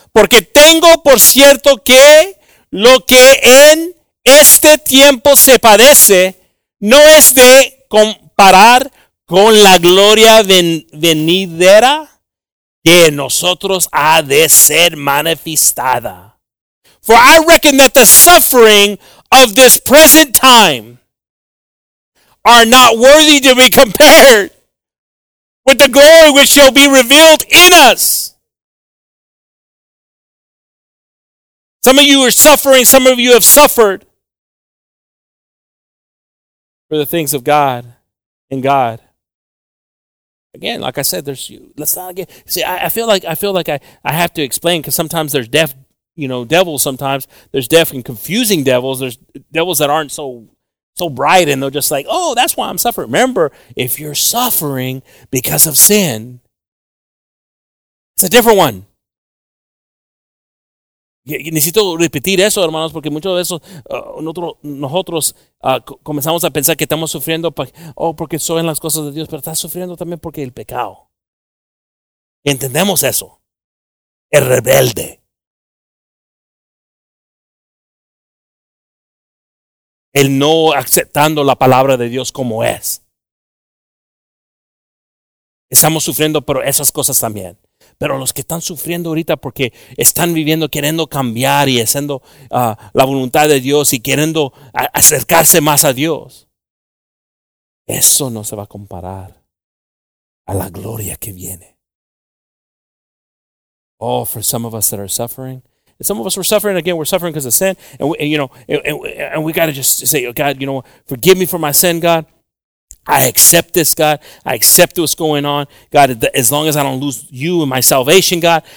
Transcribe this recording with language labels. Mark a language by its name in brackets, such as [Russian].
[Spanish] Porque tengo por cierto que lo que en este tiempo se padece no es de comparar con la gloria venidera que nosotros ha de ser manifestada. [English] For I reckon that the suffering of this present time are not worthy to be compared with the glory which shall be revealed in us. Some of you are suffering, some of you have suffered for the things of God and God. Again, like I said, there's, let's not get, see, I feel like I have to explain, because sometimes there's deaf, devils sometimes. There's deaf and confusing devils. There's devils that aren't so bright, and they're just like, oh, that's why I'm suffering. Remember, if you're suffering because of sin, it's a different one. [Spanish] Necesito repetir eso, hermanos, porque muchos de esos nosotros comenzamos a pensar que estamos sufriendo porque son las cosas de Dios, pero estás sufriendo también porque el pecado. Entendemos eso. El rebelde. El no aceptando la palabra de Dios como es. Estamos sufriendo por esas cosas también. Pero los que están sufriendo ahorita porque están viviendo, queriendo cambiar y haciendo la voluntad de Dios y queriendo acercarse más a Dios, eso no se va a comparar a la gloria que viene. [English] Oh, for some of us that are suffering, and some of us were suffering, again, we're suffering because of sin, and we got to just say, oh, God, forgive me for my sin, God. I accept this, God. I accept what's going on, God, as long as I don't lose you and my salvation, God.